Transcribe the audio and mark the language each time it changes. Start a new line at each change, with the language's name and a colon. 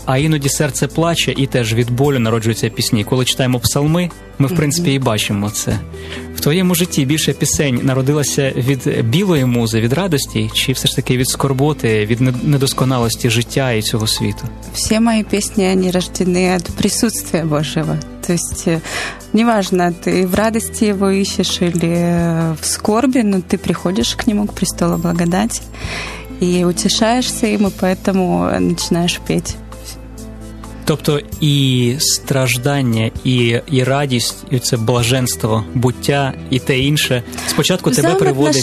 Ukrainian: А іноді серце плаче, і теж від болю народжуються пісні. Коли читаємо псалми, ми, в принципі, і бачимо це. В твоєму житті більше пісень народилася від білої музи, від радості, чи все ж таки від скорботи, від недосконалості життя і цього світу? Всі мої пісні, вони рождені від присутствия Божого.
Russian: Тобто, неважно, ты в радости его ищешь или в скорби, но ты приходишь к нему, к престолу благодати, и утешаешься им, и поэтому начинаешь петь.
Ukrainian: Тобто и страждання, и радість, и це блаженство, буття, и те інше, спочатку тебе приводить...